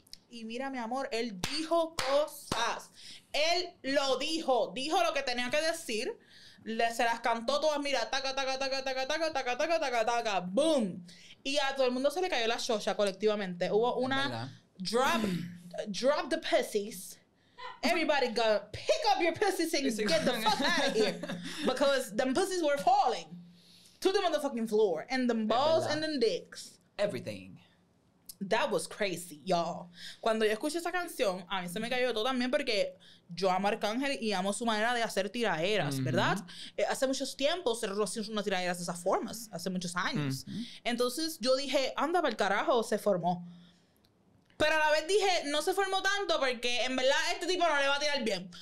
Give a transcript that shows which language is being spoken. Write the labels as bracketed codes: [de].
[es] Y mira, mi amor, él dijo cosas. Él lo dijo. Dijo lo que tenía que decir. Se las cantó todas, mira, taca, taca, taca, taca, taca, taca, taca, taca, taca, boom. Y a todo el mundo se le cayó la shosha colectivamente. Hubo una [en] drop the pussies. Everybody go, pick up your pussies and get the fuck out of here. Because them pussies were falling to the motherfucking floor. And them balls and them dicks. Everything. That was crazy, y'all. [es] Cuando yo escuché esa canción, a mí se me cayó todo también porque yo amo a Arcángel y amo su manera de hacer tiraeras, mm-hmm. ¿Verdad? Hace muchos tiempos se hacían unas tiraeras de esas formas, hace muchos años. Mm-hmm. Entonces yo dije, anda pa'l carajo, se formó. Pero a la vez dije, no se formó tanto porque en verdad este tipo no le va a tirar bien.